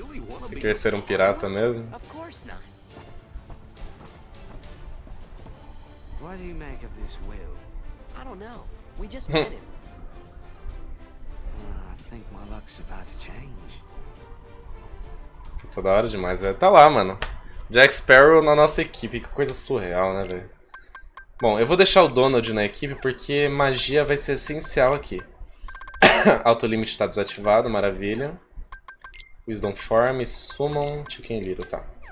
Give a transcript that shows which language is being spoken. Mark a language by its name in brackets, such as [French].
[Portuguese] Você quer ser um pirata mesmo? [English] What do you make of this Will? I don't know. We just met him. I think my luck's about to change. [Portuguese] Tá da hora demais, velho. Tá lá, mano. Jack Sparrow na nossa equipe, que coisa surreal, né, velho? Bom, eu vou deixar o Donald na equipe porque magia vai ser essencial aqui. Auto limite está desativado, maravilha. Wisdom Farm, Summon, Chicken Little, tá.